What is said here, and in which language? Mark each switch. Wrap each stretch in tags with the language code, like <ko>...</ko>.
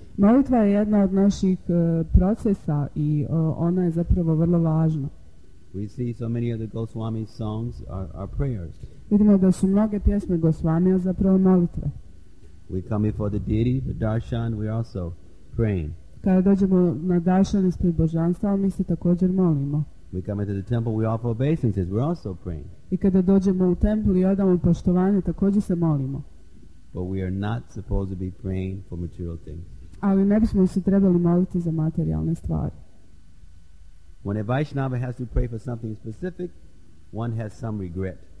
<hr>Molitva je jedna od naših procesa i ona je zapravo vrlo važna.</hr> <en>We see so many of the Goswami's songs are prayers.</en> <hr>Vidimo da su mnoge pjesme Goswamija zapravo molitve.</hr> <en>We come before the deity, the darshan, we also praying.</en> <hr>Kada dođemo na darshan ispred božanstva, mi se također molimo.</hr> <en>We come into the temple, we offer obeisances, we're also praying.</en> <hr>I kada dođemo u tempel i odamo poštovanje, također se molimo.</hr> <en>But we are not supposed to be praying for material things.</en> <hr>Ali ne bismo se trebali moliti za materijalne stvari.</hr> <en>When a Vaishnava has to pray for something specific, one has some regret.</en>